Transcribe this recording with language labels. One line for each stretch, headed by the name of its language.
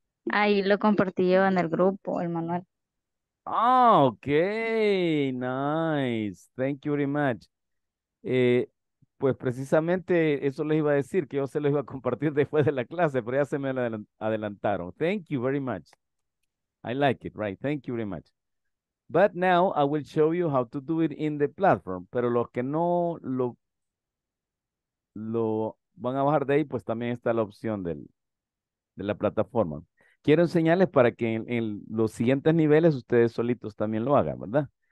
Spanish: Ahí lo compartí yo en el grupo, el manual.
English: Oh, okay. Nice. Thank you very much.
Spanish: Pues precisamente eso les iba a decir, que yo se los iba a compartir después de la clase, pero ya se me adelantaron.
English: Thank you very much. I like it, right? Thank you very much. But now I will show you how to do it in the platform.
Spanish: Pero los que no lo van a bajar de ahí, pues también está la opción de la plataforma. Quiero enseñarles para que en los siguientes niveles ustedes solitos también lo hagan, ¿verdad?